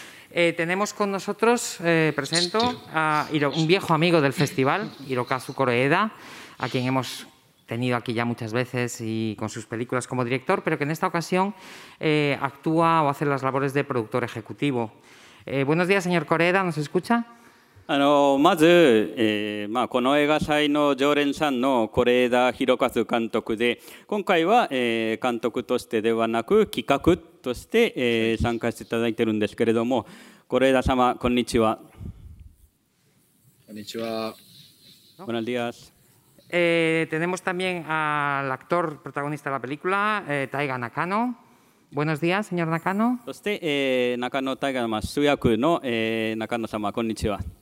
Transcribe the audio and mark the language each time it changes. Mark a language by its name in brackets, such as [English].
[Spanish] Tenemos con nosotros, presento, a un viejo amigo del festival, Hirokazu Koreeda, a quien hemos tenido aquí ya muchas veces y con sus películas como director, pero que en esta ocasión actúa o hace las labores de productor ejecutivo. Buenos días, señor Koreeda, ¿nos escucha? [Japanese] まず、まあ、この映画祭の常連さんの是枝裕和監督で、今回は、監督としてではなく企画として、参加していただいているんですけれども、是枝様、こんにちは。こんにちは。 [Spanish] Buenos días。 Tenemos también al actor protagonista de la película, Taiga Nakano。 Buenos días, señor Nakano。 [Japanese] そして、Nakano Taiga の主役の、Nakano 様、こんにちは。